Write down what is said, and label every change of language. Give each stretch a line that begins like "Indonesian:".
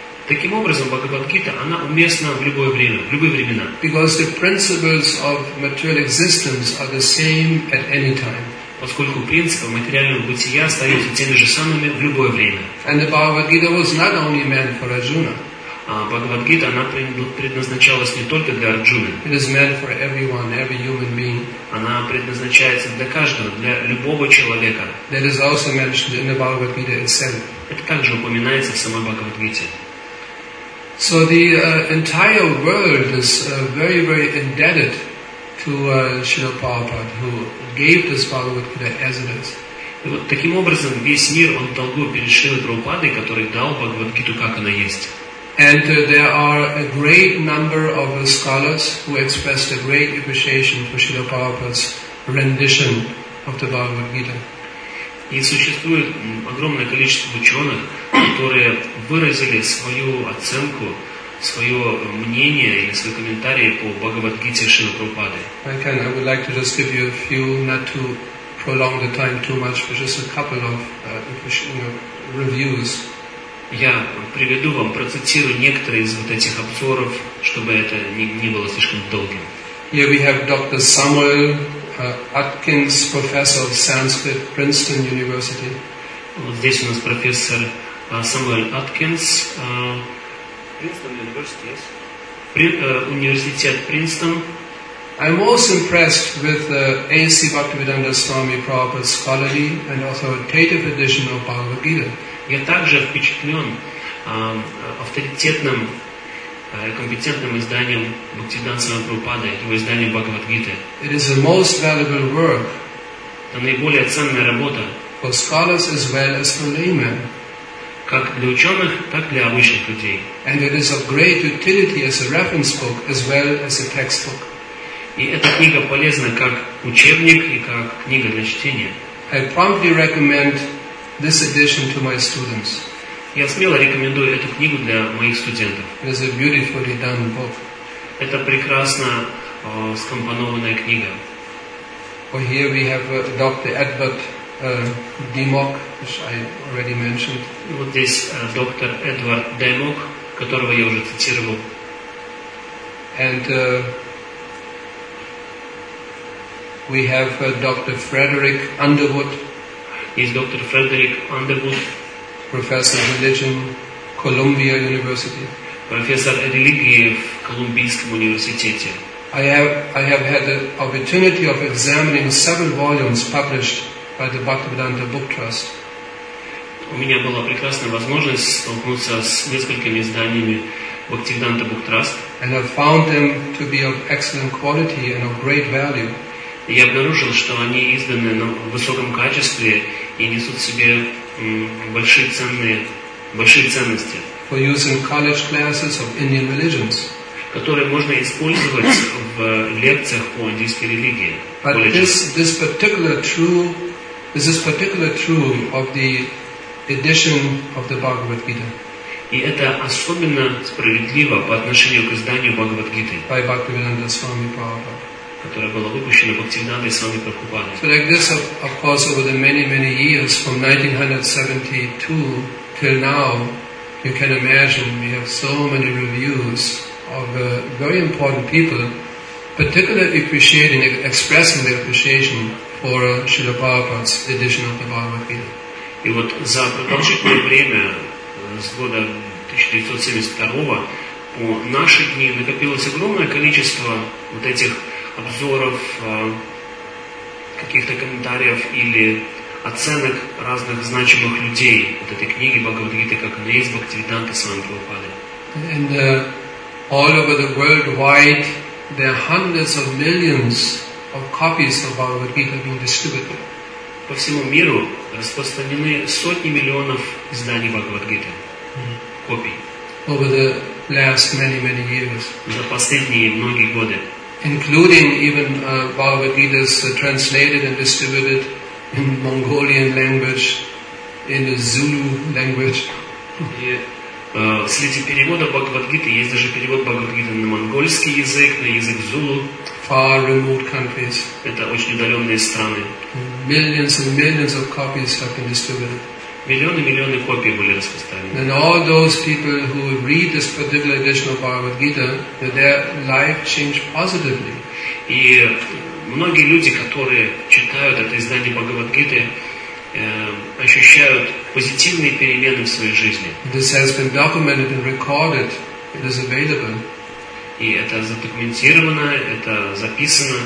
Russian: Таким образом, Бхагавад Гита она уместна в любое время, в любые времена.
English: Because the principles of material existence are the same at any time.
Russian: Поскольку принципы материального бытия остаются теми же самыми в любое время.
English: And the Bhagavad Gita was not only meant for Arjuna.
Russian: А Бхагавад-гита, она предназначалась не только для Арджуны.
English: It is meant for everyone, every human being.
Russian: Она предназначается для каждого, для любого человека.
English: That is also mentioned in the Bhagavad-gita itself.
Russian: Это также упоминается в самой Бхагавад-гите.
English: So the entire world is very, very indebted to Srila Prabhupada, who gave this Bhagavad-gita as it is.
Russian: И вот таким образом весь мир, он долго перед Шрилой Прабхупадой, который дал Бхагавад-гиту, как она есть.
English: And there are a great number of scholars who expressed a great appreciation for Srila Prabhupada's rendition of the Bhagavad Gita.
Russian: И существует огромное количество ученых, которые выразили свою оценку, свое мнение или свои комментарии по Бхагавад Гите Шрилы Прабхупады.
English: I would like to just give you a few, not to prolong the time too much, but just a couple of reviews.
Russian: Я приведу вам, процитирую некоторые из вот этих обзоров, чтобы это не было слишком долгим.
English: Here we have Dr. Samuel Atkins, professor of Sanskrit, Princeton University.
Russian: Вот здесь у нас профессор Самуэль Аткинс.
English: Princeton University, yes.
Russian: Университет Принстон.
English: I'm most impressed with the A.C. Bhaktivedanta Swami Prabhupada's scholarly and authoritative edition of Bhagavad Gita.
Russian: Я также впечатлен авторитетным, компетентным изданием Бхактивиданта Свами Прабхупады, его изданием Бхагавад Гиты.
English: It is the most valuable work.
Russian: Это наиболее ценная работа.
English: For scholars as well as for laymen.
Russian: Как для ученых, так и для обычных людей.
English: And it is of great utility as a reference book as well as a textbook.
Russian: И эта книга полезна как учебник и как книга для чтения.
English: I promptly recommend this edition to my students.
Russian: Я смело рекомендую эту книгу для моих студентов.
English: It is a beautifully done book.
Russian: Это прекрасно скомпонованная книга.
English: Well, here we have Dr. Edward Dimok, which I already mentioned.
Russian: Вот здесь доктор Эдвард Дэмок, которого я уже цитировал.
English: And we have Dr. Frederick Underwood. Is Dr. Frederick Underwood, professor of religion, Columbia University.
Russian: Профессор религии в Колумбийском университете.
English: I have had the opportunity of examining several volumes published by the Bhaktivedanta Book Trust.
Russian: У меня была прекрасная возможность столкнуться с несколькими изданиями Бхактивиданта Book Trust.
English: And I found them to be of excellent quality and of great value.
Russian: Я обнаружил, что они изданы на высоком качестве и несут в себе большие ценности,
English: for using college classes of Indian religions,
Russian: которые можно использовать в лекциях по индийской религии.
English: But this is particularly true of the edition of the Bhagavad Gita.
Russian: И это особенно справедливо по отношению к изданию Бхагавад Гиты.
English: By Bhaktivedanta Swami Prabhupada.
Russian: Которая была выпущена Бхактивинандой Свами Прабхупадой.
English: So like this, of course, over the many, many years, from 1972 till now, you can imagine we have so many reviews of very important people, particularly appreciating, expressing their appreciation for Srila Prabhupada's edition of the Bhagavad Gita.
Russian: И вот за продолжительное время, с года 1972 по наши дни, накопилось огромное количество вот этих обзоров, каких-то комментариев или оценок разных значимых людей вот этой книги Бхагавад Гиты, как она есть Бхактивиданта Свами Прабхупады.
English: And all over the worldwide, there are hundreds of millions of copies of Bhagavad Gita being distributed.
Russian: По всему миру распространены сотни миллионов изданий Бхагавад Гиты, копий.
English: Over the last many, many years.
Russian: За последние многие годы.
English: Including even Bhagavad Gita is translated and distributed in Mongolian language, in the Zulu language.
Russian: Среди переводов Бхагавад Гиты есть даже перевод Бхагавад Гиты на монгольский язык, на язык Зулу.
English: Far remote countries.
Russian: Это очень удаленные страны.
English: Millions and millions of copies have been distributed.
Russian: Миллионы и миллионы копий были распространены.
English: And all those people who read this particular edition of Bhagavad Gita, their life changed positively.
Russian: И многие люди, которые читают это издание Бхагавад Гиты, ощущают позитивные перемены в своей жизни.
English: This has been documented and recorded. It is available.
Russian: И это задокументировано, это записано.